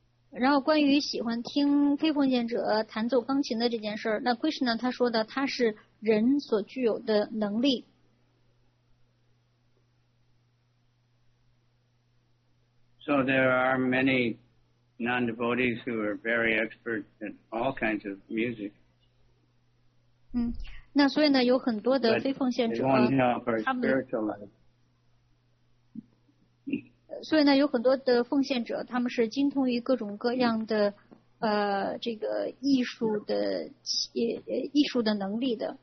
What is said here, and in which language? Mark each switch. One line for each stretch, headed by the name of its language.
Chinese: 然后关于喜欢听非奉献者弹奏钢琴的这件事，那 Krishna 他说的，他是人所具有的能力。
English: So there are many non-devotees who are very expert in all kinds of music.
Chinese: 那所以呢，有很多的非奉献者，他们，所以呢，有很多的奉献者，他们是精通于各种各样的这个艺术的能力的。